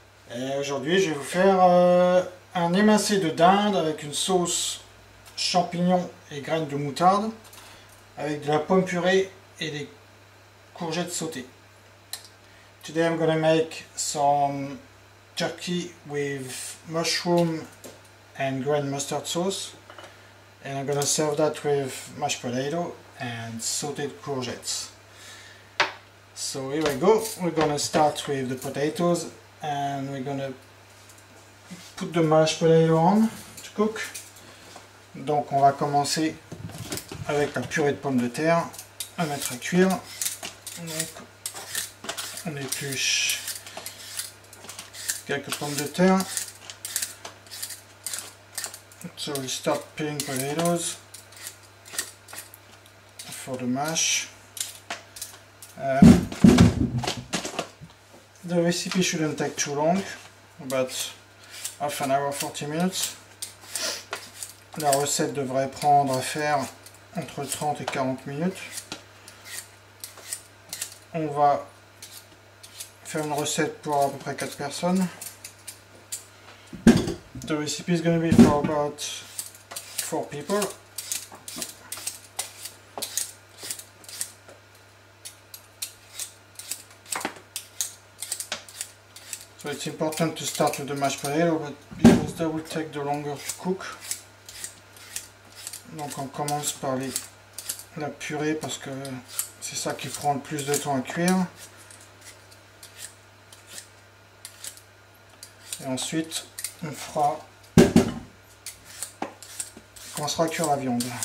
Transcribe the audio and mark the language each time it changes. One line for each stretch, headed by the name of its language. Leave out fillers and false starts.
French: Et aujourd'hui, je vais vous faire un émincé de dinde avec une sauce champignons et graines de moutarde, avec de la pomme purée et des courgettes sautées.
English: Today I'm going to make some turkey with mushroom and green mustard sauce, and I'm going to serve that with mashed potato and sauteed courgettes. So here we go, we're gonna start with the potatoes and we're gonna put the mashed potato on to cook.
French: Donc on va commencer avec la purée de pommes de terre à mettre à cuire. Donc on épluche quelques pommes de terre.
English: So we start peeling potatoes for the mash. The recipe shouldn't take too long, about half an hour, 40 minutes.
French: La recette devrait prendre à faire entre 30 et 40 minutes. On va faire une recette pour à peu près 4 personnes.
English: The recipe is going to be for about 4 people. So it's important to start with the mashed potato, but because that will take the longer to cook.
French: Donc on commence par la purée parce que c'est ça qui prend le plus de temps à cuire. Et ensuite on fera, on commencera à cuire la viande.